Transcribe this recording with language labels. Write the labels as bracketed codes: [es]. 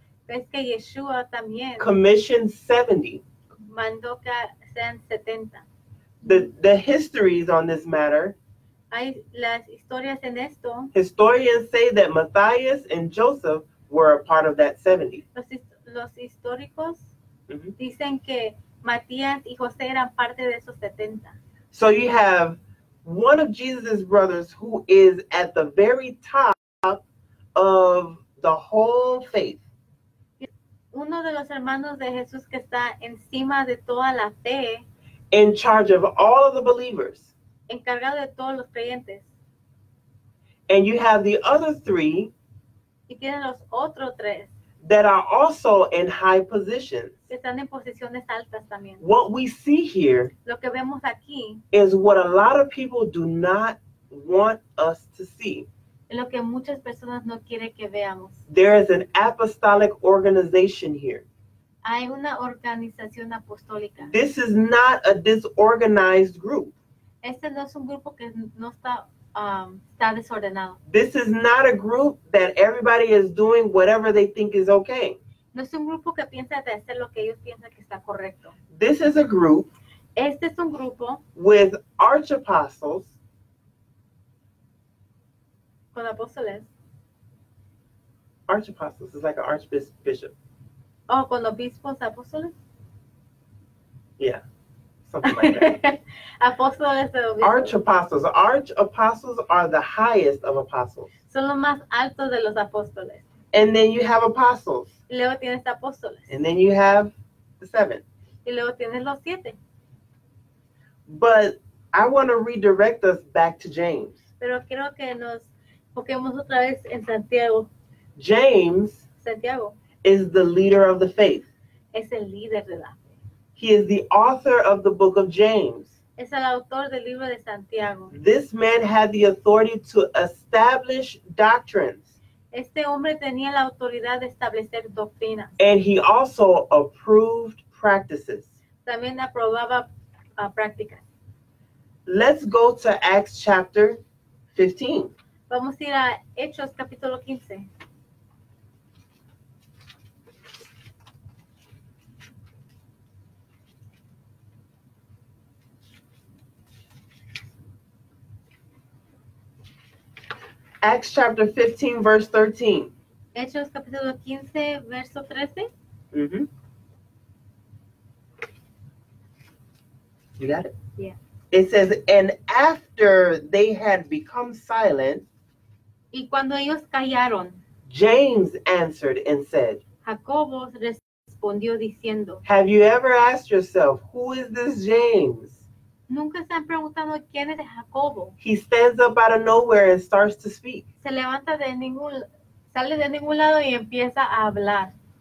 [es] ves que Yeshua también, [en] commissioned 70. [es] Mandó que sean 70. [en] The histories on this matter, [es] hay las historias en esto. [en] Historians say that Matthias and Joseph were a part of that 70. [es] Los históricos, mm-hmm, dicen que Matías y José eran parte de esos 70. [en] So you have one of Jesus' brothers who is at the very top of the whole faith. [es] Uno de los hermanos de Jesús que está encima de toda la fe. [en] In charge of all of the believers. [es] Encargado de todos los creyentes. [en] And you have the other three, [es] y tienen los otros tres, [en] that are also in high positions. [es] Que están en posiciones altas también. [en] What we see here, [es] lo que vemos aquí, [en] is what a lot of people do not want us to see. [es] Lo que muchas personas no quieren que veamos. [en] There is an apostolic organization here. [es] Hay una organización apostólica. [en] This is not a disorganized group. [es] Este no es un grupo que no está, está desordenado. [en] This is not a group that everybody is doing whatever they think is okay. [es] No es un grupo que piensa de hacer lo que ellos piensan que está correcto. [en] This is a group. [es] Este es un grupo. [en] With archapostles. [es] Con apóstoles. [en] Archapostles is like an archbishop. [es] Oh, con obispos apóstoles. [en] Yeah. Something like that. Arch-apostles. Arch-apostles are the highest of apostles. [es] Son los más altos de los apóstoles. [en] And then you have apostles. [es] Y luego tienes apóstoles. [en] And then you have the seven. [es] Y luego tienes los siete. [en] But I want to redirect us back to James. [es] Pero quiero que nos enfoquemos otra vez en Santiago. [en] James, [es] Santiago, [en] is the leader of the faith. [es] Es el líder de la fe. [en] He is the author of the book of James. [es] Es el autor del libro de Santiago. [en] This man had the authority to establish doctrines. [es] Este hombre tenía la autoridad de establecer doctrinas. [en] And he also approved practices. [es] También aprobaba prácticas. [en] Let's go to Acts chapter 15. [es] Vamos a ir a Hechos capítulo 15. [en] Acts chapter 15, verse 13. [es] Hechos capítulo 15, verso 13. [en] Mm-hmm. You got it? Yeah. It says, and after they had become silent, [es] y cuando ellos callaron, [en] James answered and said, [es] Jacobo respondió diciendo, [en] have you ever asked yourself, who is this James? [es] Nunca se han preguntado quién es de Jacobo. [en] He stands up out of nowhere and starts to speak. [es] Se levanta de ningún, sale de ningún lado y empieza a hablar.